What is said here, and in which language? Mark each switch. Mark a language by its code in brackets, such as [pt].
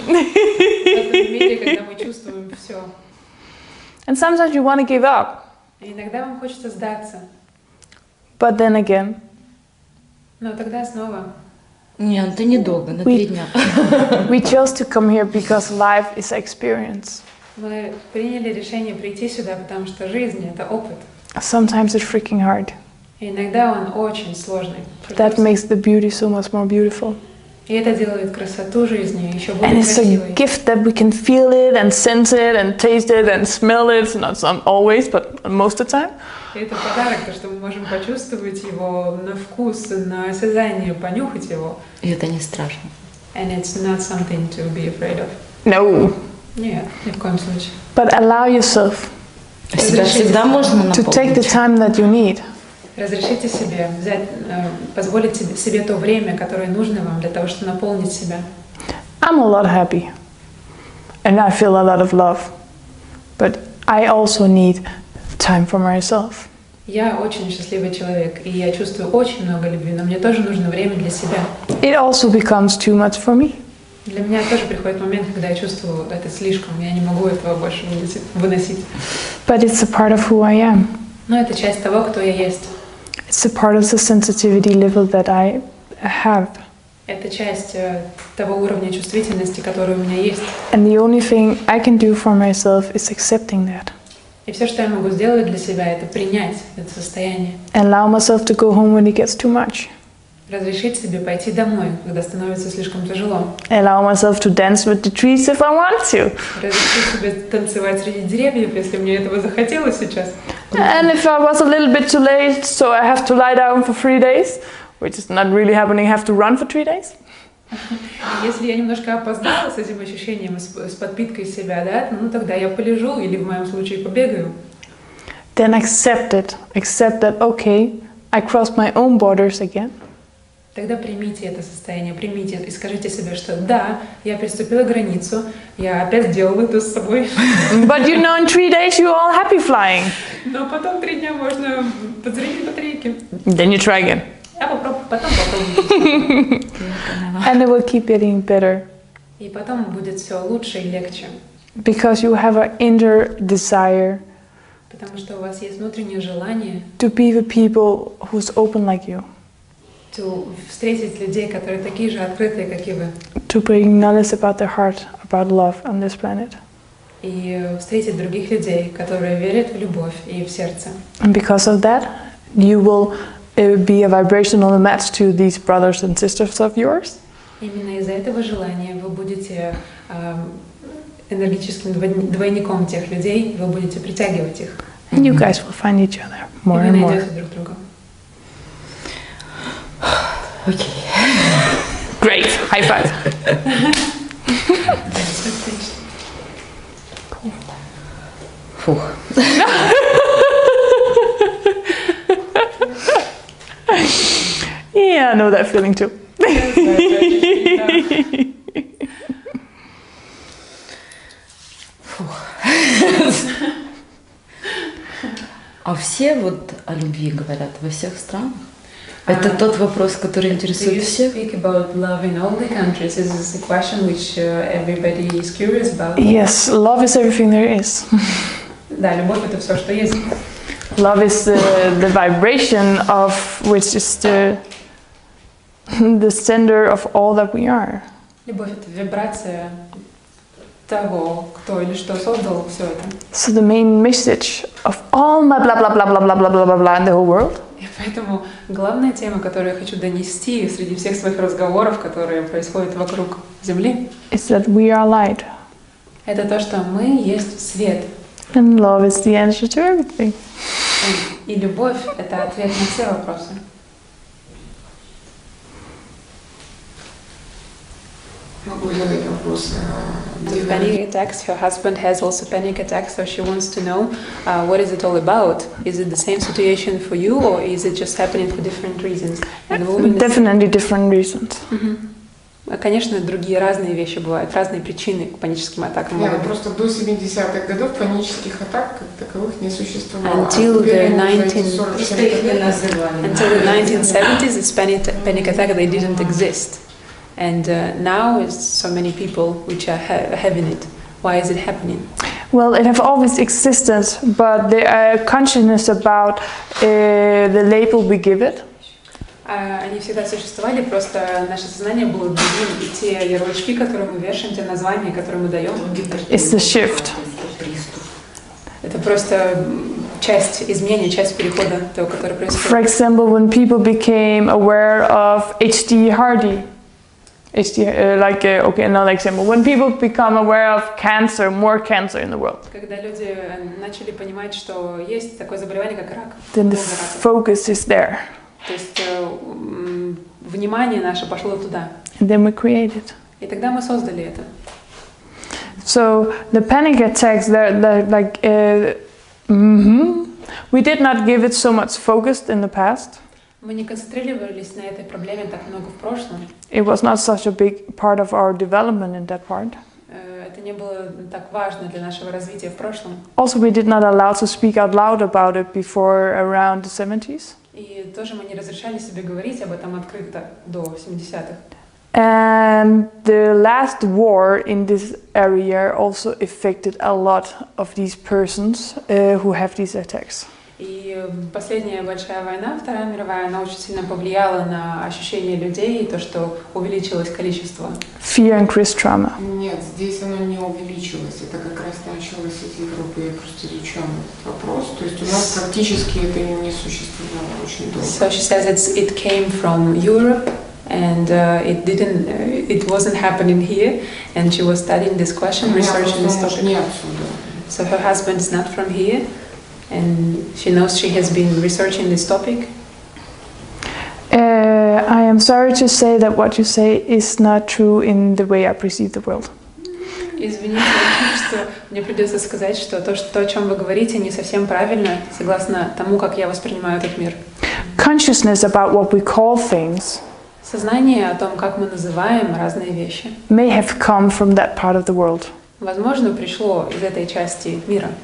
[ru] В этом мире, когда мы чувствуем все. [en] And sometimes you want to give up. [ru] Иногда вам хочется сдаться. [en] But then again. [ru] Но тогда снова. Нет, это недолго, на три дня. [en] We chose to come here because life is experience. [ru] Мы приняли решение прийти сюда, потому что жизнь — это опыт. [en] Sometimes it's freaking hard. [ru] И иногда он очень сложный. [en] That makes the beauty so much more beautiful. [ru] И это делает красоту жизни еще более красивой. [en] And it's [ru] красивой. [en] A gift that we can feel it and sense it and taste it and smell it. Not some always, but most of the time. [ru] И это подарок, то, что мы можем почувствовать его на вкус, на осязание, понюхать его. И это не страшно. [en] And it's not something to be afraid of. No. [ru] Нет, ни в коем случае. [en] But allow yourself. [ru] Всегда можно наполнить. [en] To take the time that you need. [ru] Разрешите себе взять, позволить себе то время, которое нужно вам для того, чтобы наполнить себя. [en] I'm a lot happy. And I feel a lot of love. But I also need time for myself. [ru] Я очень счастливый человек, и я чувствую очень много любви, но мне тоже нужно время для себя. [en] It also becomes too much for me. [ru] Для меня тоже приходит момент, когда я чувствую, что это слишком, я не могу этого больше выносить. [en] But it's a part of who I am. [ru] Но это часть того, кто я есть. [en] It's a part of the sensitivity level that I have. [ru] Это часть того уровня чувствительности, который у меня есть. [en] And the only thing I can do for myself is accepting that. [ru] И все, что я могу сделать для себя, это принять это состояние. [en] Allow myself to go home when it gets too much. [ru] Разрешить себе пойти домой, когда становится слишком тяжело. [en] Allow myself to dance with the trees if I want to. [ru] Разрешить себе танцевать среди деревьев, если мне этого захотелось сейчас. [en] And if I was a little bit too late, so I have to lie down for 3 days, which is not really happening, I have to run for 3 days. [ru] Если я немножко опоздала с этим ощущением, с подпиткой себя, да, ну тогда я полежу или в моем случае побегаю. [en] then accept it. Accept that, okay, I crossed my own borders again. [ru] Тогда примите это состояние, примите и скажите себе, что да, я переступила границу, я опять сделала это с собой. [en] But you know, in 3 days you're all happy flying. [ru] Но потом 3 дня можно подзарядить батарейки. [en] Then you try again. [ru] Я попробую, потом попробую. [en] And it will keep getting better. [ru] И потом будет все лучше и легче. [en] Because you have an inner desire. [ru] Потому что у вас есть внутреннее желание. [en] To be the people who's open like you. [ru] Встретить людей, которые такие же открытые, как и вы. [en] To bring knowledge about their heart, about love on this planet. [ru] И встретить других людей, которые верят в любовь и в сердце. [en] And because of that, you will be a vibrational match to these brothers and sisters of yours. [ru] Именно из-за этого желания вы будете энергетическим двойником тех людей, вы будете притягивать их. [en] And you guys will find each other more and more. [ru] И вы найдете друг друга. [en] Okay. Great. High five. Фух. Yeah, I know that feeling too. Фух. [ru] А все вот о любви говорят во всех странах? Это тот вопрос, который интересует всех. [en] Do you speak about love in all the countries? Is this a question which everybody is curious about? Yes, love is everything there is. [ru] Да, любовь — это все, что есть. [en] Love is the vibration of which is the center of all that we are. [ru] Любовь — это вибрация того, кто или что создал все это. [en] So the main message of all my blah blah blah blah blah blah blah blah blah in the whole world. [ru] И поэтому главная тема, которую я хочу донести среди всех своих разговоров, которые происходят вокруг Земли, [en] is that we are light. [ru] Это то, что мы есть свет. [en] And love is the answer to everything. [ru] И любовь — это ответ на все вопросы. [en] Do panic attacks? Her husband has also panic attacks, so she wants to know what is it all about? Is it the same situation for you, or is it just happening for different reasons? Definitely different reasons. [ru] Конечно, другие разные вещи бывают, разные причины к паническим атакам. Нет, просто до 70-х годов панических атак как таковых не существовало. [en] Until the 1970s, it's panic attack, they didn't exist. And now is so many people which are having it. Why is it happening? Well, it have always existed, but the consciousness about the label we give it. [ru] Они всегда существовали, просто наше сознание было другим, и те ярлычки, которые мы вешаем, те названия, которые мы даем. [en] It's the shift. [ru] Это просто часть изменения, часть перехода того, который происходит. [en] For example, when people became aware of H.D. Hardy. It's okay, another example. When people become aware of cancer, more cancer in the world. [ru] Когда люди начали понимать, что есть такое заболевание, как рак. [en] Then the focus is there. [ru] То есть внимание наше пошло туда. [en] And then we created. [ru] И тогда мы создали это. [en] So the panic attacks, we did not give it so much focus in the past. [ru] Мы не концентрировались на этой проблеме так много в прошлом. [en] It was not such a big part of our development in that part. [ru] Это не было так важно для нашего развития в прошлом. [en] Also, we did not allow to speak out loud about it before around the 70s. [ru] И тоже мы не разрешали себе говорить об этом открыто до 70-х. [en] And the last war in this area also affected a lot of these persons who have these attacks. [ru] И последняя большая война, Вторая мировая, она очень сильно повлияла на ощущения людей и то, что увеличилось количество. [en] Fear increased trauma. [ru] Нет, здесь оно не увеличилось. Это как раз началось из Европы. Я просто речу о этот вопрос. То есть у нас практически это не существовало очень долго. [en] So she says it came from Europe. And it wasn't happening here. And she was studying this question, researching this topic. So her husband is not from here. And she knows she has been researching this topic. I am sorry to say that what you say is not true in the way I perceive the world. [ru] Извините, что мне придется сказать, что то, о чем вы говорите, не совсем правильно, согласно тому, как я воспринимаю этот мир. [en] Consciousness about what we call things. [ru] Сознание о том, как мы называем разные вещи. [en] May have come from that part of the world. [ru] Возможно, пришло из этой части мира.